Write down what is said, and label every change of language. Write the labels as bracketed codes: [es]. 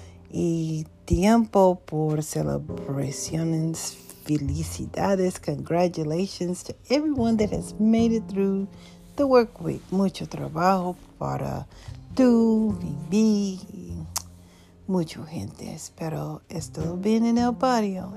[es] Y tiempo por celebraciones. Felicidades. [en] Congratulations to everyone that has made it through the work week. [es] Mucho trabajo para tú, mi. Mucho gente. Espero estuvo bien en el patio.